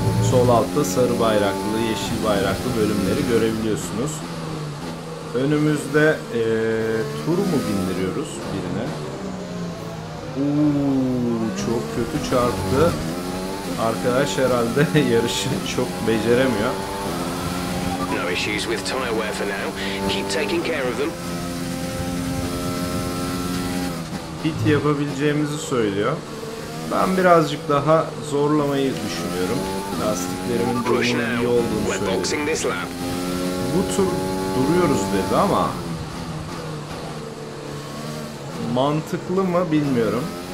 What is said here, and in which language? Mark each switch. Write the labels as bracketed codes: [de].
[tr] Sol altta sarı bayraklı, yeşil bayraklı bölümleri görebiliyorsunuz. Önümüzde tur mu bindiriyoruz birine? Uuu, çok kötü çarptı. Arkadaş herhalde yarışı çok beceremiyor. [en] No issues with tire wear for now. Keep taking care of them. [tr] Pit yapabileceğimizi söylüyor. Ben birazcık daha zorlamayı düşünüyorum. Lastiklerimin durumunun iyi olduğunu söylüyorum. Bu tur duruyoruz dedi ama mantıklı mı bilmiyorum.